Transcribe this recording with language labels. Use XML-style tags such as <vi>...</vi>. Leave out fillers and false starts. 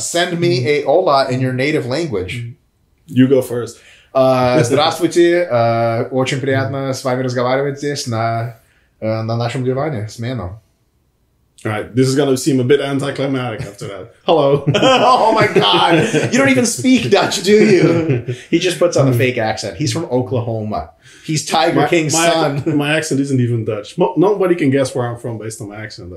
<en>Send me a hola in your native language. You go first.</en> <ru>Здравствуйте, очень приятно с вами разговаривать здесь на нашем диване с Менном.</ru> <en>All right, this is going to seem a bit anticlimactic after that. Hello. Oh, my God. You don't even speak Dutch, do you? He just puts on a fake accent. He's from Oklahoma. He's Tiger King's son. My accent isn't even Dutch. Nobody can guess where I'm from based on my accent.</en>